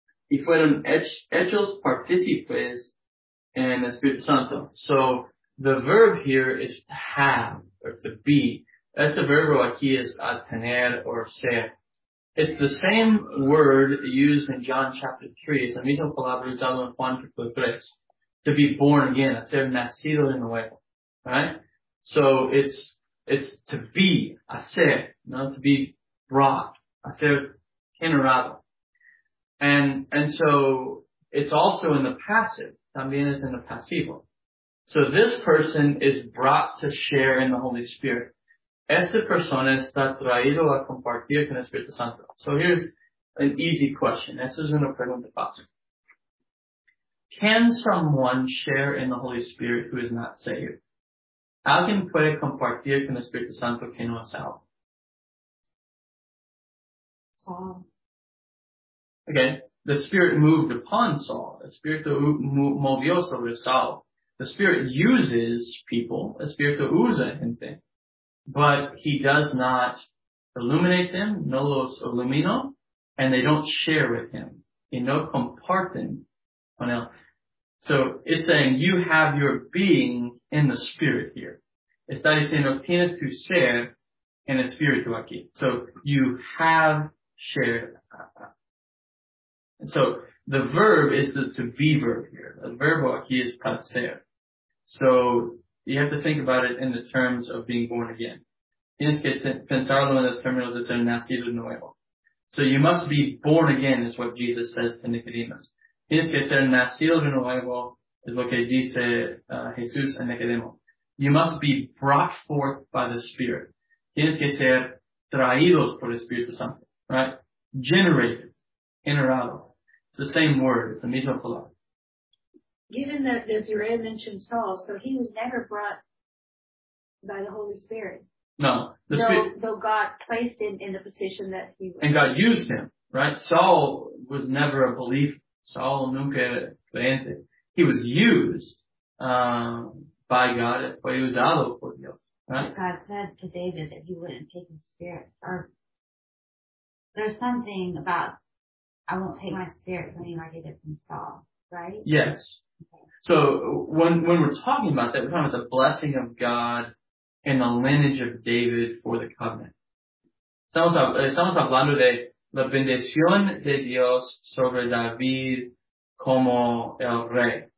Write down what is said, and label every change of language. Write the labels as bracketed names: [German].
[Spanish] Y fueron hechos partícipes en Espíritu Santo. [English] So, the verb here is to have, or to be. [Spanish] Este verbo aquí es a tener or ser. [English] It's the same word used in John chapter 3. [Spanish] Es la misma palabra usada en Juan capítulo 3. [English] To be born again, [Spanish] a ser nacido de nuevo. [English] Right? So, it's to be, a ser, no, to be brought, [Spanish] a ser generado. [English] And so, it's also in the passive. [Spanish] También es en el pasivo. [English] So this person is brought to share in the Holy Spirit. [Spanish] Esta persona está traído a compartir con el Espíritu Santo. [English] So here's an easy question. [Spanish] Esta es una pregunta fácil. [English] Can someone share in the Holy Spirit who is not saved? [Spanish] ¿Alguien puede compartir con el Espíritu Santo que no es salvo? [English] Saul. Okay. The Spirit moved upon Saul. [Spanish] El Espíritu movió sobre Saul. [English] The Spirit uses people. [Spanish] El Espíritu usa gente. [English] But he does not illuminate them. [Spanish] No los ilumino. [English] And they don't share with him. [Spanish] Y no comparten con él. [English] So it's saying you have your being in the Spirit here. [Spanish] Está diciendo tienes tu ser en el Espíritu aquí. [English] So you have shared. So, the verb is to be verb here. The verb [Spanish] aquí es para ser. [English] So, you have to think about it in the terms of being born again. [Spanish] Tienes que pensarlo en los términos de ser nacido de nuevo. [English] So, you must be born again is what Jesus says to Nicodemus. [Spanish] Tienes que ser nacido de nuevo is lo que dice Jesús a Nicodemo. [English] You must be brought forth by the Spirit. [Spanish] Tienes que ser traídos por el Espíritu Santo. [English] Right? Generated. Generado. It's the same word. It's a misma palabra. Given that Desiree mentioned Saul, so he was never brought by the Holy Spirit. No. Though God placed him in the position that he was. And God used him, right? Saul was never a believer. [Spanish] Saul nunca creyente. [English] He was used by God. [Spanish] Fue usado por Dios. Right? [English] God said to David that he wouldn't take his spirit. Or there's something about I won't take my spirit from you, I get it from Saul, right? Yes. Okay. So when we're talking about that, we're talking about the blessing of God and the lineage of David for the covenant. [Spanish] Estamos hablando de la bendición de Dios sobre David como el rey.